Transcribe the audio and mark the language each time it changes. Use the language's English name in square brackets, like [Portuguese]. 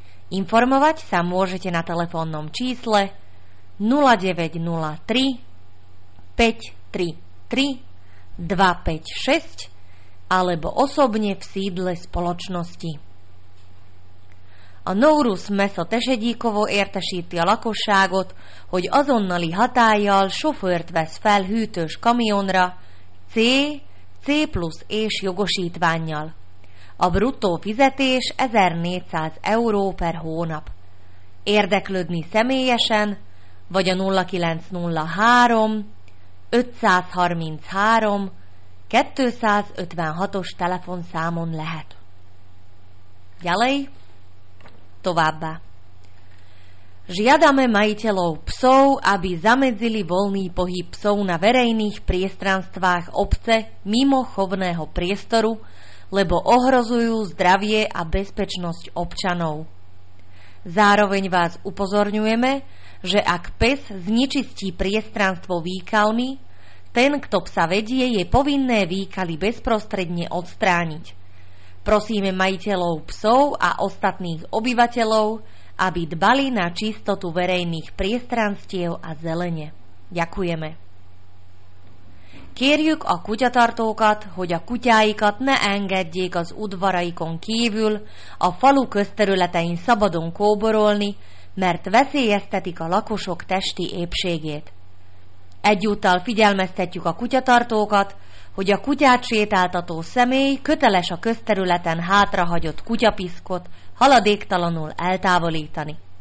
[Slovak] Informovať sa môžete na telefónnom čísle 0903 533 256 alebo osobne v sídle spoločnosti. [Hungarian] A Nowruz Meso Tešedíkovo értesíti a lakosságot, hogy azonnali hatállyal sofőrt vesz fel hűtős kamionra C, C plusz és jogosítvánnyal. A bruttó fizetés 1400 € per hónap. Érdeklődni személyesen, vagy a 0903 533 256-os telefonszámon lehet. [Slovak] Ďalej, továbbá. Žiadame majiteľov psov, aby zamedzili voľný pohyb psov na verejných priestranstvách obce mimo chovného priestoru, lebo ohrozujú zdravie a bezpečnosť občanov. Zároveň vás upozorňujeme, že ak pes znečistí priestranstvo výkalmi, ten, kto psa vedie, je povinné výkaly bezprostredne odstrániť. Prosíme majiteľov psov a ostatných obyvateľov, aby dbali na čistotu verejných priestranstiev a zelene. Ďakujeme. [Hungarian] Kérjük a kutyatartókat, hogy a kutyáikat ne engedjék az udvaraikon kívül a falu közterületein szabadon kóborolni, mert veszélyeztetik a lakosok testi épségét. Egyúttal figyelmeztetjük a kutyatartókat, hogy a kutyát sétáltató személy köteles a közterületen hátrahagyott kutyapiszkot haladéktalanul eltávolítani.